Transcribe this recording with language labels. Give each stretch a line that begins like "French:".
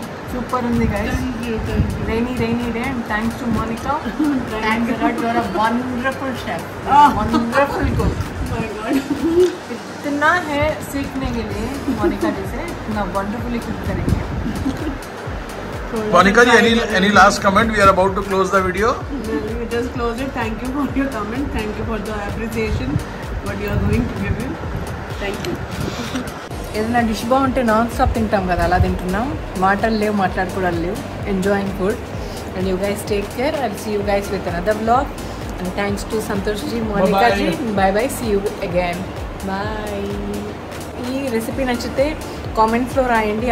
English: super ఉంది guys, rainy rainy day and thanks to Monika, thanks a lot for a wonderful chef, wonderful cook,
Hindi: ఇతనా hey సీఖనే K Liye Monika G say, ఇతనా
English: wonderfully cook
Hindi: కరేంగే।
English: Monika ji, any last comment? We are about to close the video. No, we just close it. Thank you for your comment. Thank you for the appreciation what you are going to give him. Thank you.
Telugu: ఏదైనా dish బాగుంటే non stop తింటాం కదా, అలా తింటున్నాం. మాటలు లేవు, మాట్లాడుకోవడాలు లేవు.
English: Enjoying food. And you guys take care. I see you guys with another blog. And thanks to Santosh ji, Monika ji. Bye bye, see you again. Bye.
Telugu: ఈ రెసిపీ నచ్చితే కామెంట్స్లో రాయండి.